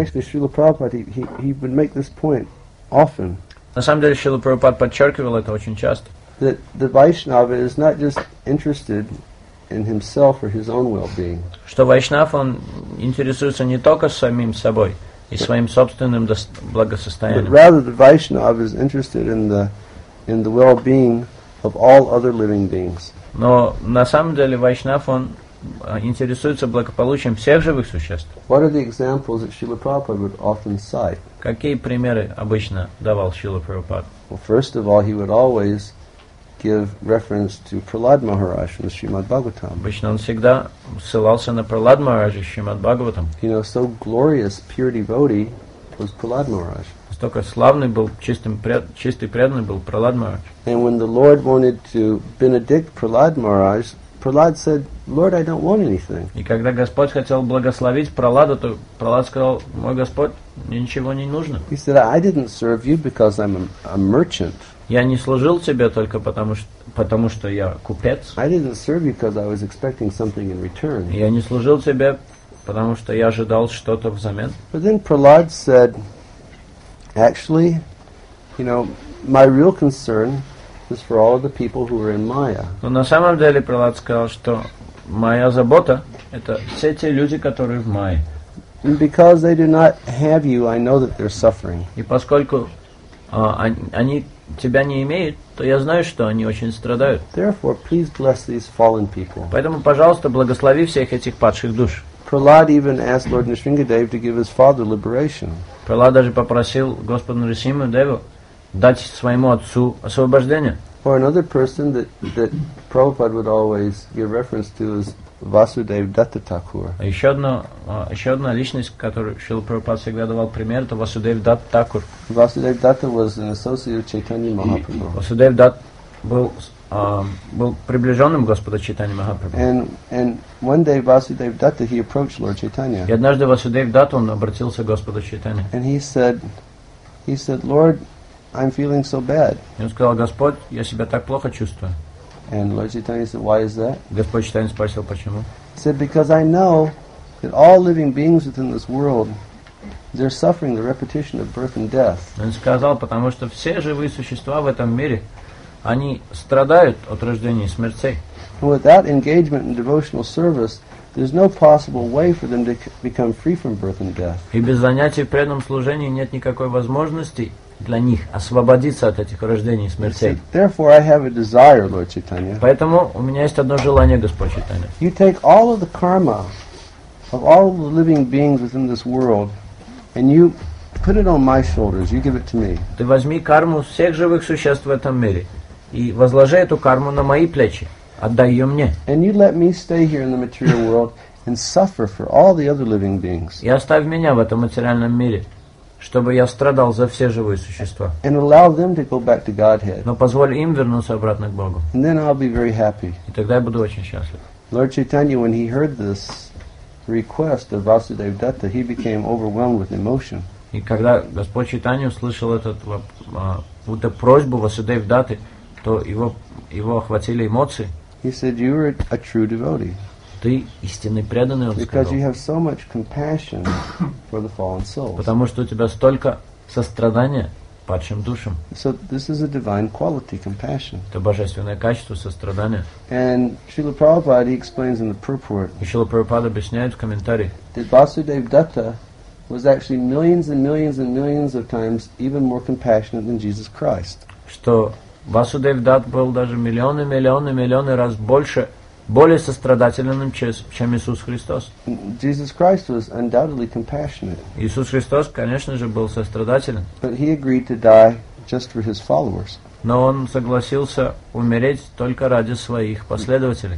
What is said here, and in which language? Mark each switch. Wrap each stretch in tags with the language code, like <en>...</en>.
<en>Actually, Srila Prabhupada, he would make this point often.</en> <ru>На самом деле, Шрила Прабхупада подчеркивал это очень часто.</ru> <en>That the Vaishnava is not just interested in himself or his own well-being.</en> <ru>Что Вайшнав, он интересуется не только самим собой и своим собственным благосостоянием.</ru> <en>But rather, the Vaishnava is interested in the well-being of all other living beings.</en> <ru>Но на самом деле, Вайшнав, он интересуется благополучием всех живых существ.</ru> <en>What are the examples that Srila Prabhupada would often cite?</en> <ru>Какие примеры обычно давал Шрила Прабхупада?</ru> <en>Well, first of all, he would always give reference to Prahlad Maharaj in the Srimad Bhagavatam.</en> <ru>Обычно он всегда ссылался на Прахлад Махараджа в Шримад Бхагаватам.</ru> <en>You know, so glorious, pure devotee was Prahlad Maharaj.</en> <ru>Настолько славный был, чистый преданный был Прахлад Махарадж.</ru> <en>And when the Lord wanted to benedict Prahlad Maharaj, Prahlad said, "Lord, I don't want anything."</en> <ru>И когда Господь хотел благословить Прахлада, то Прахлад сказал: "Мой Господь, мне ничего не нужно."</ru> <en>He said, "I didn't serve you because I'm a merchant."</en> <ru>Я не служил тебе только потому что я купец.</ru> <en>I didn't serve you because I was expecting something in return.</en> <ru>Я не служил тебе потому что я ожидал что-то взамен.</ru> <en>But then Prahlad said, "Actually, you know, my real concern." This for all of the people who were in Maya.</en> <ru>Но на самом деле Прахлад сказал, что моя забота это все те люди, которые в Майе.</ru> <en>Because they do not have you, I know that they're suffering.</en> <ru>И поскольку они тебя не имеют, то я знаю, что они очень страдают.</ru> <en>Therefore, please bless these fallen people.</en> <ru>Поэтому, пожалуйста, благослови всех этих падших душ.</ru> <en>Prahlad even asked Lord Nrisimhadeva to give his father liberation.</en> <ru>Прахлад даже попросил Господа Нрисимхадеву дать своему отцу освобождение.</ru> <en>Or another person that Prabhupada would always give reference to is Vasudeva Datta Thakur.</en> <ru>Еще одна личность, которую Шрила Прабхупада всегда давал пример, это Vasudeva Datta Thakur.</ru> <en>Vasudeva Datta was an associate of Chaitanya Mahaprabhu.</en> <ru>Vasudeva Datta был приближенным Господа Чайтанья Махапрабху.</ru> <en>And one day Vasudeva Datta he approached Lord Chaitanya.</en> <ru>И однажды Vasudeva Datta он обратился к Господу Чайтанья.</ru> <en>And he said, Lord, I'm feeling so bad.</en> <ru>И он сказал, Господь, я себя так плохо чувствую.</ru> <en>And Lord Chaitanya said, why is that?</en> <ru>Господь Читание спросил, почему?</ru> <en>He said, because I know that all living beings within this world, they're suffering the repetition of birth and death.</en> <ru>Он сказал, потому что все живые существа в этом мире, они страдают от рождения и смерти.</ru> <en>Without engagement in devotional service, there's no possible way for them to become free from birth and death.</en> <ru>И без занятий в преданном служении нет никакой возможности для них освободиться от этих рождений и смертей.</ru> <en>Therefore, I have a desire, Lord Chaitanya.</en> <ru>Поэтому у меня есть одно желание, Господь Чайтанья.</ru> <en>You take all of the karma of all the living beings within this world, and you put it on my shoulders. You give it to me.</en> <ru>Ты возьми карму всех живых существ в этом мире и возложи эту карму на мои плечи. Отдай ее мне.</ru> <en>And you let me stay here in the material world and suffer for all the other living beings.</en> <ru>И оставь меня в этом материальном мире, чтобы я страдал за все живые существа.</ru> <en>And allow them to go back to Godhead.</en> <ru>Но позволь им вернуться обратно к Богу.</ru> <en>And then I'll be very happy.</en> <ru>И тогда я буду очень счастлив.</ru> <en>Lord Chaitanya, when he heard this request of Vasudev Dutta, he became overwhelmed with emotion.</en> <ru>И когда Господь Чайтанья услышал эту просьбу Васудев Датты, то его охватили эмоции.</ru> <en>He said, "You are a true devotee."</en> <ru>Ты истинный преданный, он сказал.</ru> <en>Because you have so much compassion for the fallen souls.</en> <ru>Потому что у тебя столько сострадания падшим душам.</ru> <en>So this is a divine quality, compassion.</en> <ru>Это божественное качество сострадания.</ru> <en>And Srila Prabhupada explains in the purport.</en> <ru>Srila Prabhupada объясняет в комментарии.</ru> <en>That Vasudev Dutta was actually millions and millions and millions of times even more compassionate than Jesus Christ.</en> <ru>Что Васудев Дат был даже миллионы, миллионы, миллионы раз больше, более сострадательным, чем Иисус Христос.</ru> <en>Jesus Christ was undoubtedly compassionate.</en> <ru>Иисус Христос, конечно же, был сострадателен.</ru> <en>But he agreed to die just for his followers.</en> <ru>Но он согласился умереть только ради своих последователей.</ru>